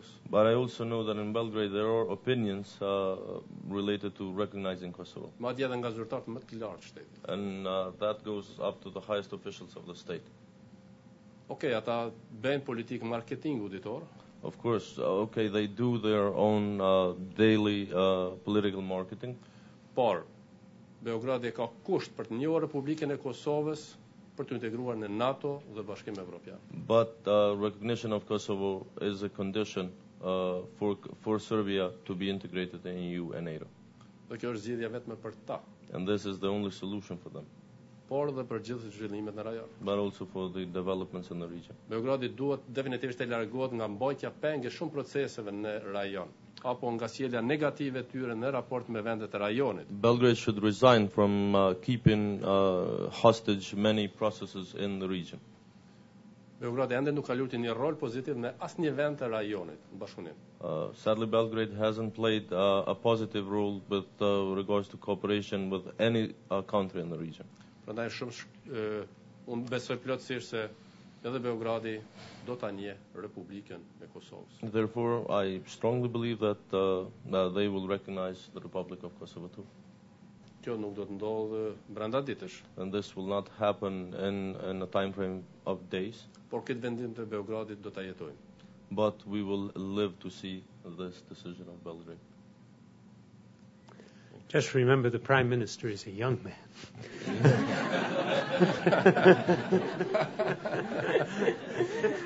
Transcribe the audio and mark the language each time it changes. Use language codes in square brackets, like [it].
[en] But I also know that in Belgrade there are opinions related to recognizing Kosovo. And that goes up to the highest officials of the state. [sq] Okay, ata bën politikë marketingu ditor. [en] Of course, okay, they do their own daily political marketing. [sq] Por, Beogradi ka kusht për të njohur Republikën e Kosovës, për të integruar në NATO dhe Bashkim Evropian. [en] But recognition of Kosovo is a condition for Serbia to be integrated in EU and NATO. [sq] Dhe kjo është zgjidhja vetme për ta. [en] And this is the only solution for them. [sq] Por dhe për gjithë zhvillimet në rajon. [en] But also for the developments in the region. [sq] Beogradi duhet definitivisht të largohet nga mbajtja penge shumë proceseve në rajon, apo nga sjellja negative e tyre në raport me vendet e rajonit. [en] Belgrade should resign from keeping hostage many processes in the region. [sq] Beogradi ende nuk ka luajtur një rol pozitiv në asnjë vend të rajonit, në bashkëpunim. [en] Sadly, Belgrade hasn't played a positive role with regards to cooperation with any country in the region. [sq] Prandaj shumë unë besoj plotësisht se edhe Beogradi do ta njeh Republikën e Kosovës. [en] Therefore, I strongly believe that, that they will recognize the Republic of Kosovo too. [sq] Kjo nuk do të ndodhë brenda ditësh. [en] And this will not happen in a time frame of days. [sq] Por këtë vendim të Beogradit do ta jetojmë. [en] But we will live to see this decision of Belgrade. Just remember, the Prime Minister is a young man.